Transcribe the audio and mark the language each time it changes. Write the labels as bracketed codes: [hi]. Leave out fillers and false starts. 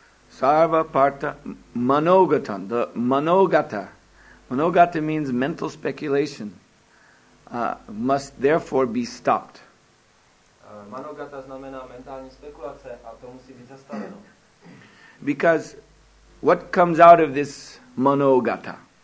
[sa] Sarva parta manogatan. The manogata. [en] Manogata means mental speculation. Must therefore be stopped. [cs] Manogata znamená mentální spekulace a to musí být zastaveno. [en] Because what comes out of this Manogata.